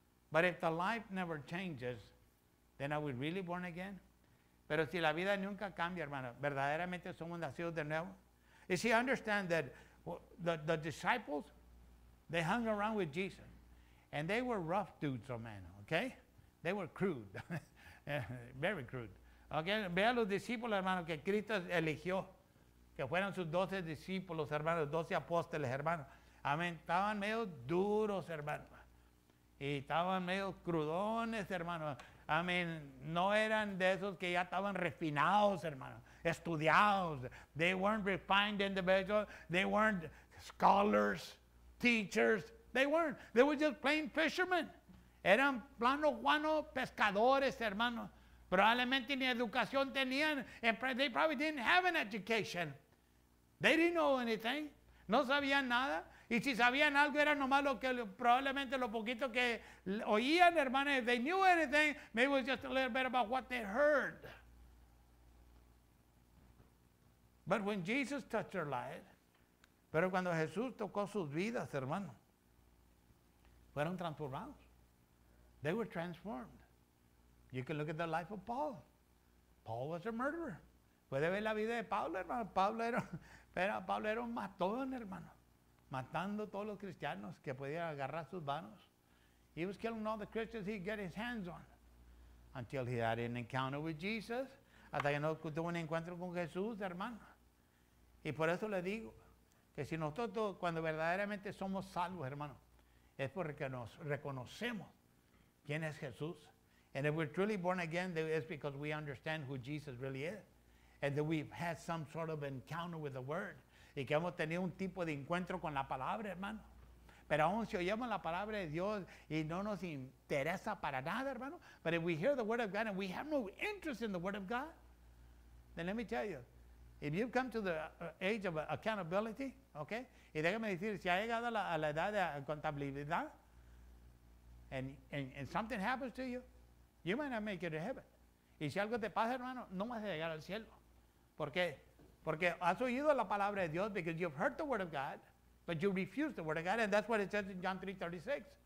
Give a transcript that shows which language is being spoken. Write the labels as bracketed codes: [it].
[en] But if the life never changes, then are we really born again? [es] Pero si la vida nunca cambia, hermano, ¿verdaderamente somos nacidos de nuevo? [en] You see, understand that the disciples, they hung around with Jesus. And they were rough dudes, oh man, okay? They were crude, very crude. [es] Okay, vea los discípulos, hermano, que Cristo eligió, que fueron sus 12 discípulos, hermano, 12 apóstoles, hermano. Amén, estaban medio duros, hermano. Y estaban medio crudones, hermano. Amén, no eran de esos que ya estaban refinados, hermano, estudiados. [en] They weren't refined individuals. They weren't scholars, teachers. They weren't. They were just plain fishermen. [es] Eran plano guano pescadores, hermano. Probablemente ni educación tenían. [en] And they probably didn't have an education. They didn't know anything. [es] No sabían nada. Y si sabían algo, era nomás lo que probablemente lo poquito que oían, hermano. [en] If they knew anything, maybe it was just a little bit about what they heard. But when Jesus touched their life, [es] pero cuando Jesús tocó sus vidas, hermano, fueron transformados. [en] They were transformed. You can look at the life of Paul. Paul was a murderer. [es] Puede ver la vida de Pablo, hermano. Pablo era un matón, hermano. Matando todos los cristianos que podía agarrar sus manos. [en] He was killing all the Christians he could get his hands on. Until he had an encounter with Jesus. [es] Hasta que no tuvo un encuentro con Jesús, hermano. Y por eso le digo que si nosotros cuando verdaderamente somos salvos, hermano, es porque nos reconocemos quién es Jesús. [en] And if we're truly born again, it's because we understand who Jesus really is. And that we've had some sort of encounter with the Word. [es] Y que hemos tenido un tipo de encuentro con la palabra, hermano. Pero aún si oyemos la palabra de Dios y no nos interesa para nada, hermano. [en] But if we hear the Word of God and we have no interest in the Word of God, then let me tell you. If you've come to the age of accountability, okay? [es] Y déjame decir, si ha llegado a la edad de contabilidad, [en] and something happens to you, you might not make it to heaven. [es] Y si algo te pasa, hermano, no vas a llegar al cielo. ¿Por qué? Porque has oído la palabra de Dios, [en] because you've heard the word of God, but you refuse the word of God, and that's what it says in John 3:36.